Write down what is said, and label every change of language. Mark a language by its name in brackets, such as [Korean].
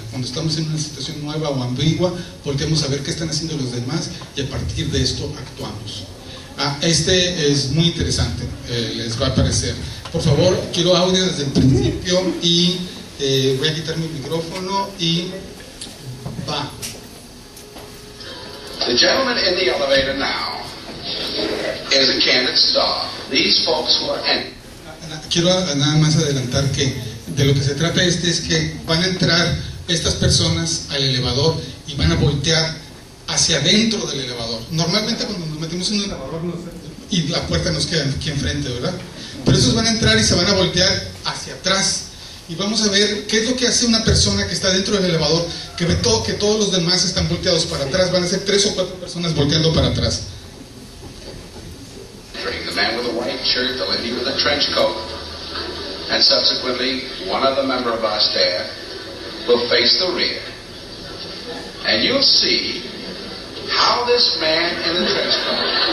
[Spanish] Cuando estamos en una situación nueva o ambigua, volteamos a ver qué están haciendo los demás y a partir de esto actuamos. Este es muy interesante, les va a parecer. Por favor, quiero audio desde el principio y voy a quitar mi micrófono y va. [English] The gentleman in the elevator now is a candid star. These folks who are entering. [Spanish] Quiero nada más adelantar que de lo que se trata este es que van a entrar estas personas al elevador y van a voltear hacia adentro del elevador. Normalmente cuando nos metemos en un elevador y la puerta nos queda aquí enfrente, ¿verdad? Pero esos van a entrar y se van a voltear hacia atrás. Y vamos a ver qué es lo que hace una persona que está dentro del elevador, que ve todo, que todos los demás están volteados para atrás. Van a ser tres o cuatro personas volteando para atrás. [English] The man with the white shirt, the lady with the trench coat, and subsequently one other member of our staff will face the rear. And you'll see how this man in the trench coat